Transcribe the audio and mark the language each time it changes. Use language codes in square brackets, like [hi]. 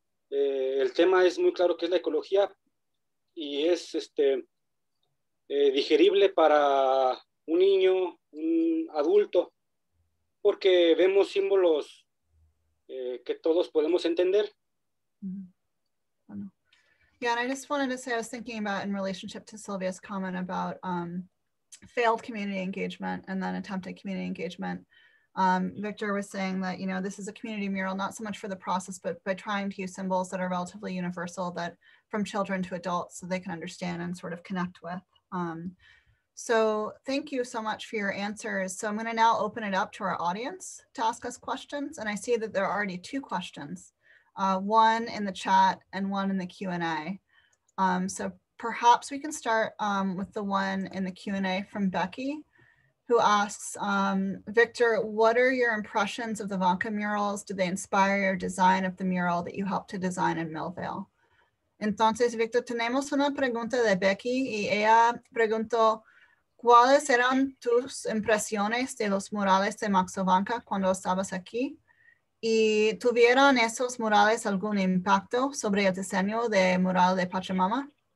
[es] El tema es muy claro que es la ecología y es digerible para un niño, un adulto, porque vemos símbolos que todos podemos entender. [en] Yeah, and I just wanted to say, I was thinking about in relationship to Sylvia's comment about failed community engagement and then attempted community engagement. Victor was saying that, you know, this is a community mural, not so much for the process, but by trying to use symbols that are relatively universal, that from children to adults, so they can understand and sort of connect with. So thank you so much for your answers. So I'm going to now open it up to our audience to ask us questions. And I see that there are already two questions. One in the chat and one in the Q&A. So perhaps we can start with the one in the Q&A from Becky, who asks, Victor, what are your impressions of the Vanka murals? Do they inspire your design of the mural that you helped to design in Millvale? [es] Entonces, Victor, tenemos una pregunta de Becky y ella preguntó, ¿cuáles eran tus impresiones de los murales de Max Vanka cuando estabas aquí? ¿Y tuvieron esos murales algún impacto sobre el diseño de mural de Pachamama?